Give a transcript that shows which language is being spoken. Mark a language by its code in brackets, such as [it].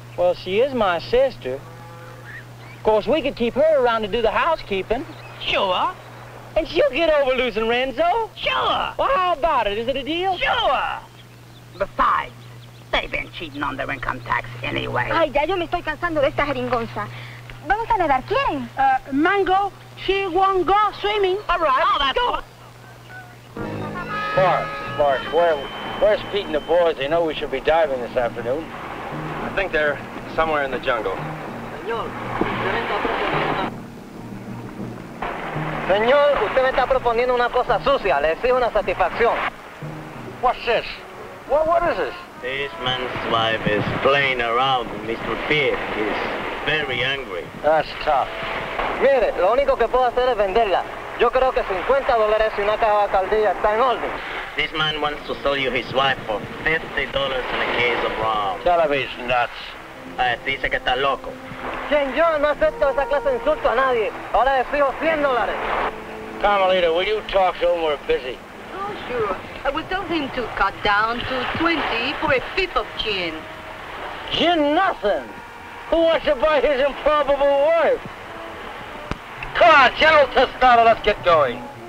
[en] Well, she is my sister. Of course, we could keep her around to do the housekeeping. Sure. And she'll get over losing Renzo. Sure. Well, how about it? Is it a deal? Sure. Besides, they've been cheating on their income tax anyway. [es] Ay, ya yo me estoy cansando de esta jeringonza. ¿Vamos a nadar quién? [en] Mango, she won't go swimming. All right, oh, that's go. Sparks, where's Pete and the boys? They know we should be diving this afternoon. I think they're somewhere in the jungle. [es] Señor, usted me está proponiendo una cosa sucia. Le exijo una satisfacción. [en] What's this? What is this? This man's wife is playing around with Mr. Pete. He's very angry. That's tough. [es] Mire, lo único que puedo hacer es venderla. Yo creo que $50 y una caja de caldilla está en orden. [en] This man wants to sell you his wife for $50 and a case of rum. Television nuts. [es] Dice que está loco. Señor, no acepto esa clase de insulto a nadie. Ahora le exijo $100. [en] Carmelita, will you talk to him? We're busy. Oh, sure. I will tell him to cut down to 20 for a fifth of gin. Gin nothing? Who wants to buy his improbable wife? Come on, General Testado, let's get going.